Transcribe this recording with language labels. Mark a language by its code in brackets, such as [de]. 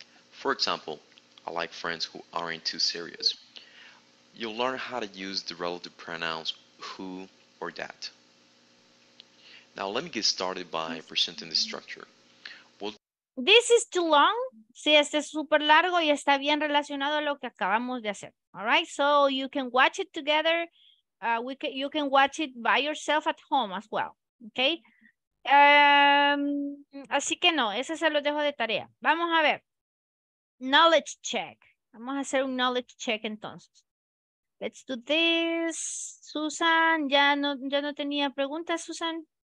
[en] For example, I like friends who aren't too serious. You'll learn how to use the relative pronouns who or that. Now, let me get started by presenting the structure. This is too long. [es] Sí, este es súper largo y está bien relacionado a lo que acabamos de hacer. [en] All right, so you can watch it together. You can watch it by yourself at home as well. Okay. [es] Así que no, ese se lo dejo de tarea. Vamos a ver. Knowledge check. Vamos a hacer un knowledge check entonces. [en] Let's do this. [es] Susan, ya no tenía preguntas, Susan.